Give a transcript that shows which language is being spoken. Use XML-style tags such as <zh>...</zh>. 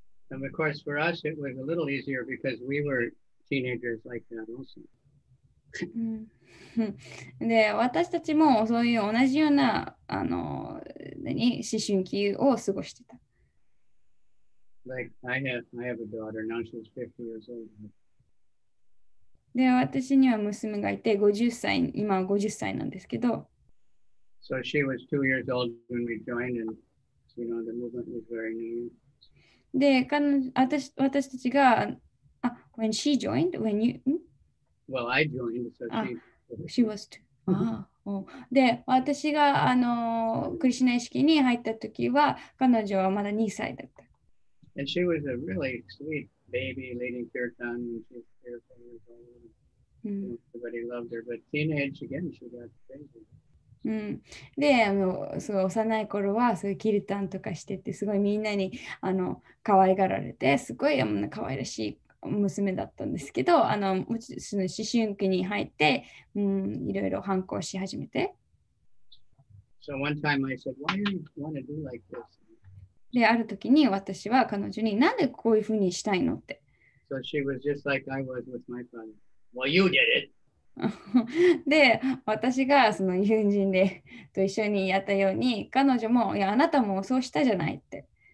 <en>And of course, for us, it was a little easier because we were teenagers like that also.</en> <ja>で私たちもそういう同じような思春期を過ごしてた。</ja> <en>Like, I have a daughter, now she's 50 years old.</en> <ja>で私には娘がいて50歳、今は50歳なんですけど。</ja> <en>So she was 2 years old when we joined, and you know, the movement was very new.</en> <ja>で私たちが、</ja> <en>when she joined, when you... Well, I joined, so she was too.</en> <ja>で、私がクリシュナ意識に入った時は、彼女はまだ2歳だった。</ja> <en>And she was a really sweet baby leading kirtan, and she was 4 years old. Everybody loved her, but teenage again, she got crazy.</en> <ja>で、すごい幼い頃はすごいキルタンとかしてて、すごいみんなに可愛がられて、すごい可愛らしい。娘だったんですけど、その思春期に入って、いろいろ反抗し始めて。</ja> <en>So one time I said, why do you want to do like this?</en> <ja>で、ある時に私は彼女に、なんでこういうふうにしたいのって。</ja> <en>So she was just like I was with my father. Well, you did it!</en> <ja>で、私がその友人でと一緒にやったように、彼女も、いや、あなたもそうしたじゃないって。</ja>